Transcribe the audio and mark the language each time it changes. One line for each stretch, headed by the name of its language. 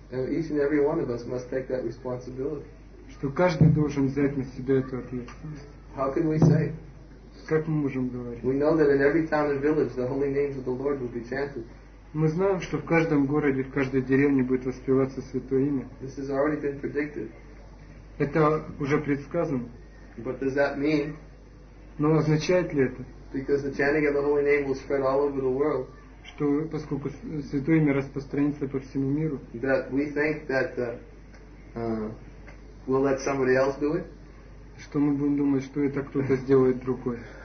English: And each and every one of us must take that responsibility.
Russian: Что каждый должен взять на себя эту ответственность.
English: How can we say?
Russian: Как мы можем говорить?
English: We know that in every town and village the holy names of the Lord will be chanted.
Russian: Мы знаем, что в каждом городе, в каждой деревне будет воспеваться Святое Имя.
English: This has already been predicted.
Russian: Это уже предсказано.
English: But does that mean?
Russian: Но означает ли это?
English: Because the chanting of the Holy Name will spread all over the world.
Russian: Что, поскольку Святое Имя распространится по всему миру?
English: That we think that we'll let somebody else do it.
Russian: Что мы будем думать, что это кто-то сделает другой?